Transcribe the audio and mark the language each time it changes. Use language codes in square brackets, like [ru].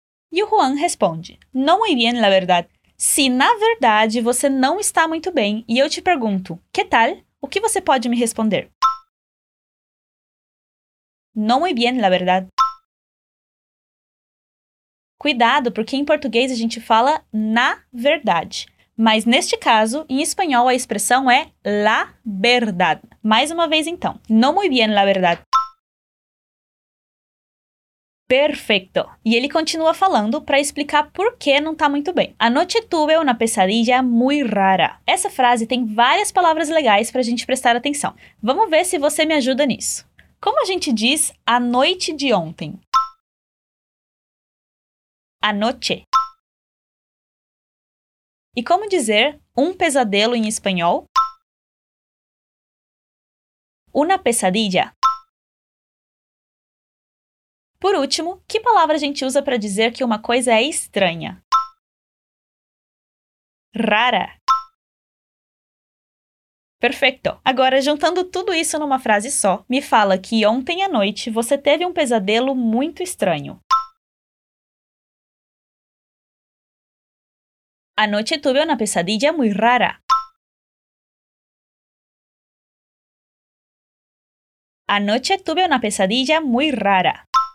[pt] E o Juan responde, [es] No muy bien, la verdad. [pt] Se, na verdade, você não está muito bem e eu te pergunto, [es] ¿qué tal? [pt] O que você pode me responder? [es] No muy bien, la verdad. [pt] Cuidado, porque em português a gente fala na verdade. Mas neste caso, em espanhol, a expressão é la verdad. Mais uma vez, então. [es] No muy bien, la verdad. [pt] Perfeito! E ele continua falando para explicar por que não está muito bem. [es] Anoche tuve una pesadilla muy rara. [pt] Essa frase tem várias palavras legais para a gente prestar atenção. Vamos ver se você me ajuda nisso. Como a gente diz a noite de ontem? [es] Anoche. [pt] E como dizer um pesadelo em espanhol? [es] Una pesadilla. [pt] Por último, que palavra a gente usa para dizer que uma coisa é estranha? [es] Rara. [pt] Perfeito. Agora, juntando tudo isso numa frase só, me fala que ontem à noite você teve um pesadelo muito estranho. [es] Anoche tuve una pesadilla muy rara. Anoche tuve una pesadilla muy rara.